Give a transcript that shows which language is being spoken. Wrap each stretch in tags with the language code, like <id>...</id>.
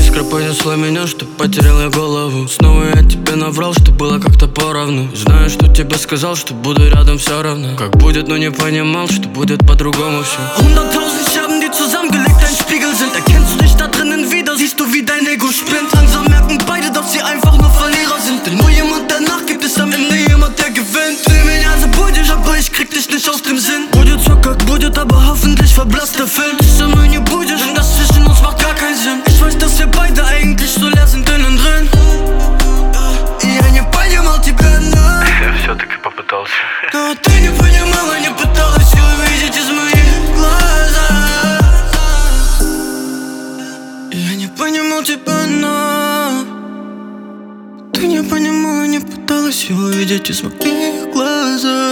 <ru>Понесло меня, что потерял я голову. Снова я тебе наврал, что было как-то поровну. Знаю, что тебе сказал, что буду рядом все равно. Как будет, но не понимал, что будет по-другому все.</ru> <de>100.000 Scherben, die zusammengelegt ein Spiegel sind. Erkennst du dich da drinnen wieder? Siehst du, wie dein Ego spinnt? Langsam merken beide, dass sie einfach nur Verlierer sind. Denn nur jemand, der nachgibt, ist am Ende jemand, der gewinnt. Du</de> <ru>меня забудешь,</ru> <de>aber ich krieg dich nicht aus dem Sinn.</de> <ru>Будет все как будет,</ru> <de>aber hoffentlich verblasst der Film.</de> <ru>Ты со мной не будешь,</ru> <de>denn das zwischen uns macht gar keinen Sinn. Dass wir beide eigentlich so leer sind innen drin.</de> <ru>Я не понимал тебя, но я все-таки попытался. Но ты не понимала, не пыталась увидеть из моих глаз. Я не понимал тебя, но ты не понимала, не пыталась увидеть из моих глаз.</ru>